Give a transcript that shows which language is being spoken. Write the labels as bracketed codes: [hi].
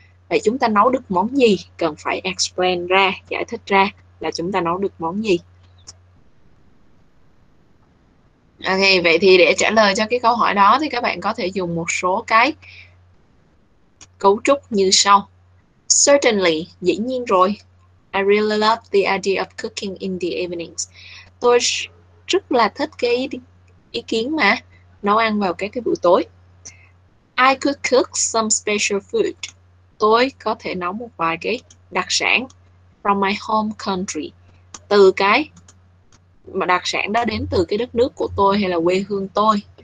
[vi] Vậy chúng ta nấu được món gì? Cần phải explain ra, giải thích ra là chúng ta nấu được món gì. Ok, vậy thì để trả lời cho cái câu hỏi đó thì các bạn có thể dùng một số cái cấu trúc như sau. [en] Certainly, [vi] dĩ nhiên rồi. [en] I really love the idea of cooking in the evenings. [vi] Tôi rất là thích cái ý kiến mà nấu ăn vào các cái buổi tối. [en] I could cook some special food. [vi] Tôi có thể nấu một vài cái đặc sản [en] from my home country. [vi] Từ cái mà đặc sản đó đến từ cái đất nước của tôi hay là quê hương tôi.